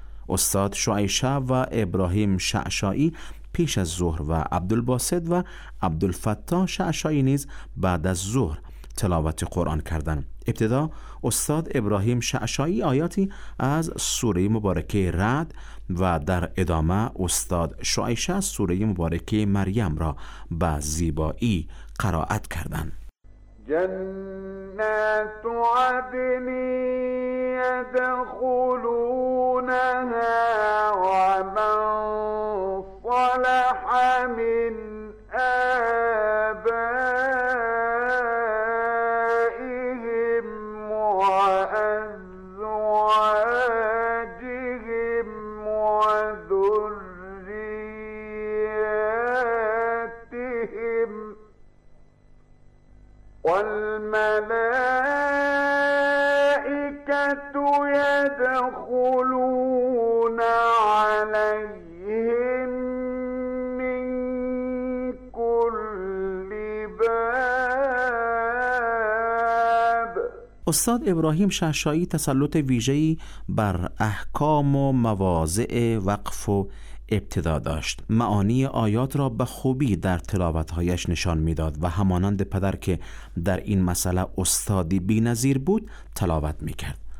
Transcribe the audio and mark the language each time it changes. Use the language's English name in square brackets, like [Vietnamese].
[Persian] استاد شعیشه و ابراهیم شعشایی پیش از ظهر و عبدالباسد و عبدالفتاح شعشایی نیز بعد از ظهر تلاوت قرآن کردن. ابتدا استاد ابراهیم شعشایی آیاتی از سوره مبارکه رعد و در ادامه استاد شعیشه سوره مبارکه مریم را به زیبایی قرائت کردند. [Arabic] جنات عدن يدخلونها ومن صلح من آبائهم وأزواجهم وذرياتهم والملائكة يدخلون عليهم من كل باب. [Persian] استاد ابراهیم شعشایی تسلط ویژه‌ای بر احکام و مواضع وقف و ابتدا داشت. معانی آیات را به خوبی در تلاوتهایش نشان می داد و همانند پدر که در این مسئله استادی بی نظیر بود تلاوت می کرد.